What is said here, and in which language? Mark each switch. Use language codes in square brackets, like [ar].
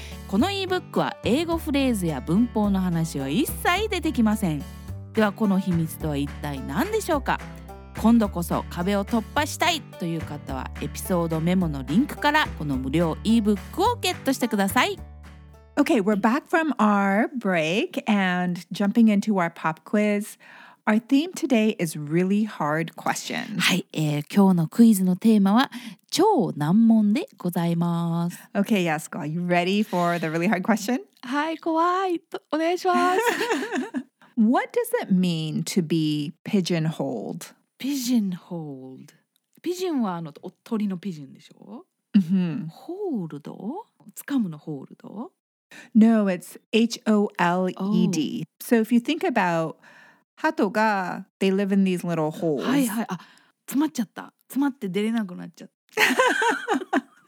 [ja] このeBookは英語フレーズや文法の話は一切出てきません。では、この秘密とは一体何でしょうか。今度こそ壁を突破したいという方はエピソードメモのリンクからこの無料eBookをゲットしてください。 Okay, [en] we're back from our break and jumping into our pop quiz. Our theme today is really hard questions. [ja] はい、今日のクイズのテーマは超難問でございます。 Okay, [en] Yasuko, are you ready for the really hard question? [ja] はい、怖い。お願いします。 [en] What does it mean to be pigeonholed? [ja] Pigeonholed. Pigeonはあの鳥のピジョンでしょ? Hold? つかむのhold? [en] No, it's H-O-L-E-D. Oh. So if you think about hatoga, they live in these little holes. [ja] はいはい。あ、詰まっちゃった。詰まって出れなくなっちゃった。